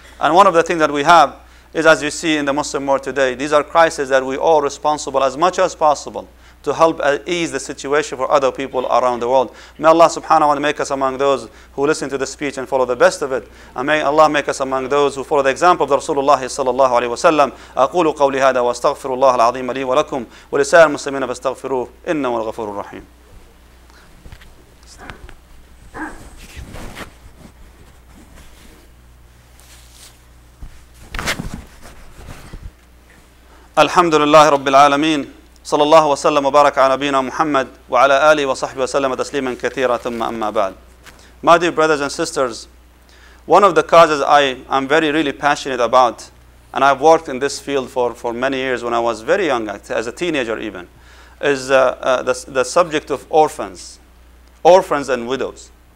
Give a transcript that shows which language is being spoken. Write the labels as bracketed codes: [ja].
[en] And one of the things that we have is, as you see in the Muslim world today, these are crises that we are all responsible as much as possible to help ease the situation for other people around the world. May Allah subhanahu wa ta'ala make us among those who listen to the speech and follow the best of it. And may Allah make us among those who follow the example of the Rasulullah sallallahu alayhi wa sallam. [ar] أقول قولي هذا واستغفر الله العظيم لي ولكم ولسائر المسلمين فاستغفروه إنه الغفور الرحيم. الحمد لله رب العالمين صلى الله وسلم وبارك على نبينا محمد وعلى آله وصحبه وسلم تسليما كثيرا ثم أما بعد. [en] My dear brothers and sisters, one of the causes I'm very really passionate about, and I've worked in this field for many years when I was very young, as a teenager even, is the subject of orphans and widows.